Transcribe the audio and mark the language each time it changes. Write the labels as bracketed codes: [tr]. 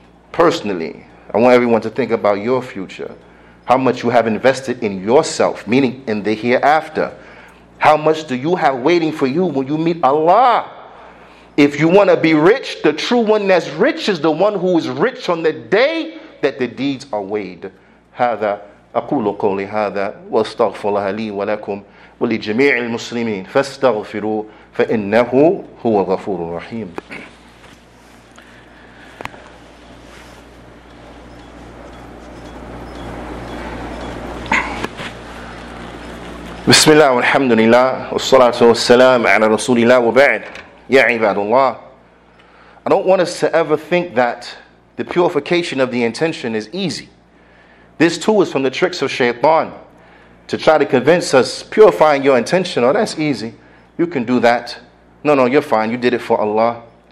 [en] Personally, I want everyone to think about your future. How much you have invested in yourself, meaning in the hereafter. How much do you have waiting for you when you meet Allah? If you want to be rich, the true one that's rich is the one who is rich on the day that the deeds are weighed. [ar] هذا أقول قولي هذا وأستغفر الله لي ولكم ولجميع المسلمين فاستغفروه فإنه هو غفور رحيم. بسم الله والحمد لله والصلاة والسلام على رسول الله وبعد يا عباد الله. [en] I don't want us to ever think that the purification of the intention is easy. This too is from the tricks of shaitan to try to convince us, purifying your intention, oh, that's easy, you can do that. No, you're fine, you did it for Allah.